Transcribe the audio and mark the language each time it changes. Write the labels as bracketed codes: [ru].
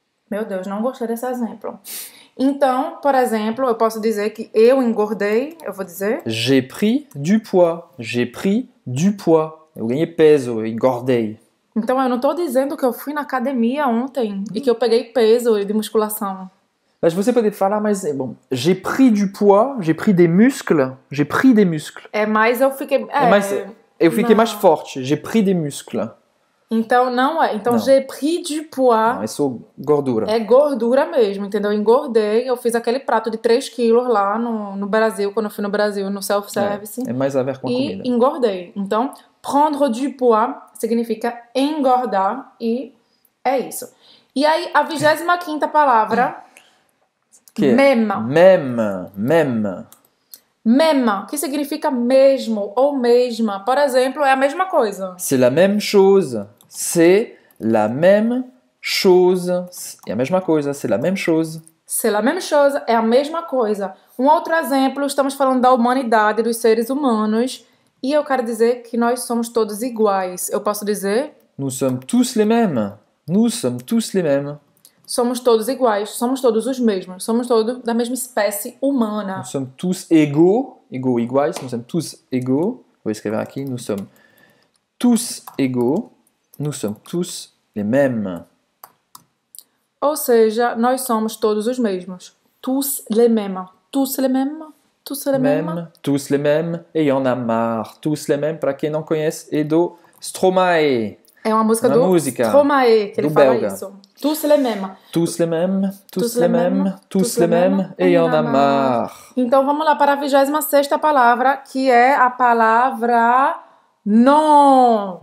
[pt] Meu Deus, não gostei desse exemplo. Então, por exemplo, eu posso dizer que eu engordei, eu vou dizer... [fr] J'ai pris du poids. J'ai pris du poids. [pt] Eu ganhei peso, eu engordei. Então, eu não tô dizendo que eu fui na academia ontem e que eu peguei peso de musculação. Mas você pode falar, mas é bom. [fr] J'ai pris du poids, j'ai pris des muscles. J'ai pris des muscles. [pt] É, mas eu fiquei... Eu fiquei mais forte. [fr] J'ai pris des muscles. [pt] Então, não é. Então, não. [fr] J'ai pris du poids. [pt] Não, é só gordura. É gordura mesmo, entendeu? Eu engordei, eu fiz aquele prato de 3 quilos lá no Brasil, quando eu fui no Brasil, no self-service. É mais a ver com a comida. E engordei. Então, [fr] prendre du poids [pt] significa engordar e é isso. E aí, a 25ª palavra... Que? [fr] Meme. Meme. Meme. [pt] Meme, que significa mesmo ou mesma. Por exemplo, é a mesma coisa. [fr] C'est la même chose. C'est la même chose. [pt] É a mesma coisa. [fr] C'est la même chose. C'est la même chose. [pt] É a mesma coisa. Um outro exemplo, estamos falando da humanidade, dos seres humanos. E eu quero dizer que nós somos todos iguais. Eu posso dizer... [fr] Nous sommes tous les mêmes. Nous sommes tous les mêmes. [pt] Somos todos iguais, somos todos os mesmos, somos todos da mesma espécie humana. [fr] Nous sommes tous égaux, égaux, iguais, nous sommes tous égaux. [pt] Vou escrever aqui, [fr] nous sommes tous égaux, nous sommes tous les mêmes. [pt] Ou seja, nós somos todos os mesmos. [fr] Tous les mêmes, tous les mêmes, tous les mêmes. Tous les mêmes, et y en a marre. Tous les mêmes, [pt] para quem não conhece, é do Stromae. É uma música Stromae, que ele fala isso. [fr] Tous les mêmes. Tous les mêmes. Tous les mêmes. Tous les mêmes. Et y'en a marre. [pt] Então vamos lá para a 26ª palavra, que é a palavra non.